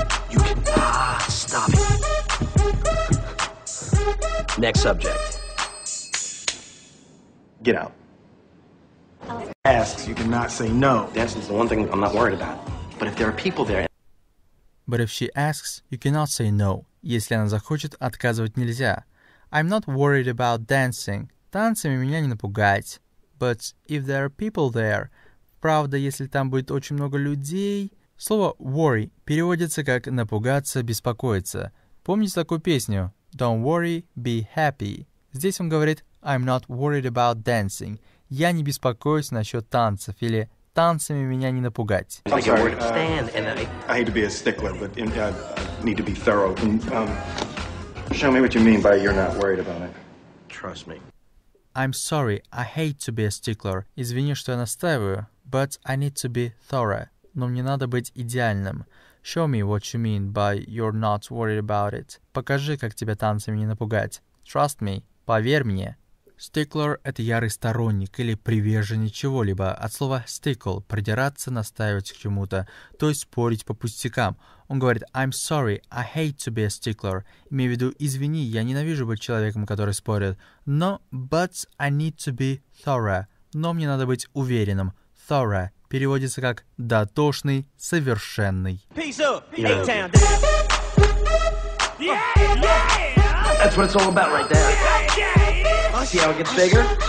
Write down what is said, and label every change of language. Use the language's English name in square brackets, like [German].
[English] You cannot stop it. Next subject. Get out. Asks, you cannot say no. Dancing is the one thing I'm not worried about. But if there are people there. But if she asks, you cannot say no. [Russian] Если она захочет, отказывать нельзя. [English] I'm not worried about dancing. [Russian] Танцами меня не напугать. [English] But if there are people there. [Russian] Правда, если там будет очень много людей. Слово worry переводится как напугаться, беспокоиться. Помните такую песню? [English] Don't worry, be happy. [Russian] Здесь он говорит [English] I'm not worried about dancing. [Russian] Я не беспокоюсь насчет танцев или танцами меня не напугать. [English] I'm sorry, I hate to be a stickler, but I need to be thorough. Show me what you mean by you're not worried about it. Trust me. I'm sorry, I hate to be a stickler. [Russian] Извини, что я настаиваю, [English] but I need to be thorough. [Russian] Но мне надо быть идеальным. [English] Show me what you mean by you're not worried about it. [Russian] Покажи, как тебя танцами не напугать. [English] Trust me. [Russian] Поверь мне. Stickler – это ярый сторонник или приверженец чего-либо, от слова stickle – придираться, настаивать к чему-то, то есть спорить по пустякам. Он говорит [English] «I'm sorry, I hate to be a stickler», [Russian] имею в виду «извини, я ненавижу быть человеком, который спорит», но [English] «but I need to be thorough», [Russian] но мне надо быть уверенным. Thorough переводится как «дотошный, совершенный». [English] Peace up, yeah. A-town. Yeah, yeah. That's what it's all about right there. See how it gets bigger?